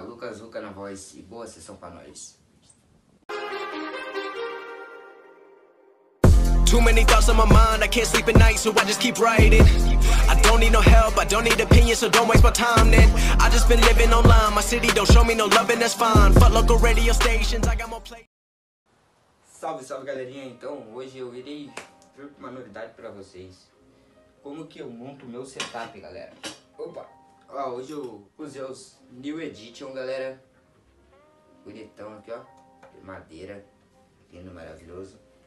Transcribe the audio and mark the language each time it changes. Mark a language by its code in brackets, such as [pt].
[pt] Lucas Luca na voz e boa sessão pra nós. [en] Too many thoughts on my mind, I can't sleep at night, so I just keep writing. I don't need no help, I don't need opinions, so don't waste my time then. I just been living online, my city don't show me no love and that's fine. Fuck local radio stations, I got more play. [pt] Salve, salve, galerinha. Então, hoje eu irei vir com uma novidade pra vocês. Como que eu monto o meu setup, galera? Opa! Ó, hoje eu usei os New Edition, galera. Bonitão aqui, ó. De madeira. Lindo, maravilhoso.